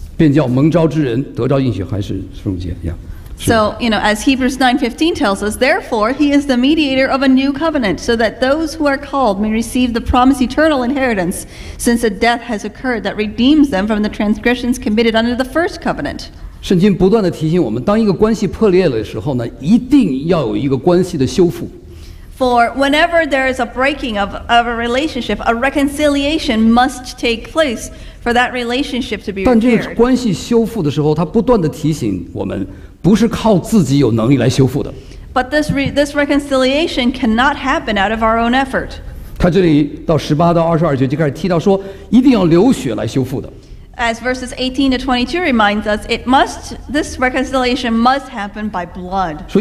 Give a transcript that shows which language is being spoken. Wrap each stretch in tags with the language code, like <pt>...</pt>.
<zh>所以十五节就这样说，因此他做了新约的中保，既然受死，赎了人在前约，就是旧约以前所犯的过犯，便叫蒙召之人得着应许，还是十五节， yeah.</zh> <en>So, you know, as Hebrews 9:15 tells us, therefore he is the mediator of a new covenant, so that those who are called may receive the promised eternal inheritance, since a death has occurred that redeems them from the transgressions committed under the first covenant.</en> <zh>圣经不断地提醒我们，当一个关系破裂的时候呢，一定要有一个关系的修复。</zh> <en>For whenever there is a breaking of a relationship, a reconciliation must take place for that relationship to be repaired.</en> <zh>但这个关系修复的时候，他不断地提醒我们， 不是靠自己有能力来修复的。</zh> <en>But this reconciliation cannot happen out of our own effort.</en> <zh>他这里到18到22节就开始提到说，一定要流血来修复的。</zh> <en>As verses 18 to 22 reminds us, this reconciliation must happen by blood.</en>